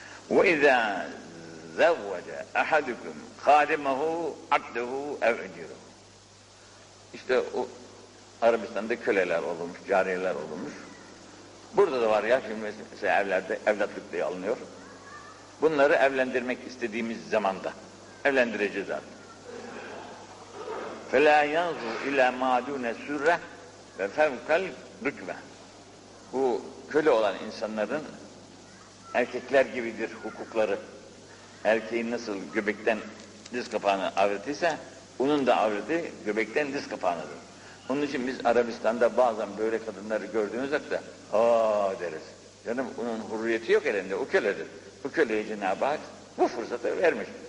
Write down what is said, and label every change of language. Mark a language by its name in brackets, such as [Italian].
[Arabic] وَاِذَا زَوَّجَ اَحَدُكُمْ خَادِمَهُ عَبْدَهُ اَوْعِدِرُهُ [Turkish] İşte o Arabistan'da köleler olmuş, cariyeler olmuş. Burada da var ya, şimdi mesela evlerde evlatlık diye alınıyor. Bunları evlendirmek istediğimiz zamanda evlendireceğiz artık. [Arabic] فَلَا يَنْظُرْ اِلَى مَا دُونَ سُرَّةِ وَفَوْكَ الْرُكْبَةِ [Turkish] Bu köle olan insanların erkekler gibidir hukukları. Erkeğin nasıl göbekten diz kapağını avretiyse, onun da avreti göbekten diz kapağınadır. Onun için biz Arabistan'da bazen böyle kadınları gördüğümüz vakitte, aa deriz. Canım onun hürriyeti yok elinde, o köledir. Bu köleyi Cenab-ı Hak bu fırsatı vermiş.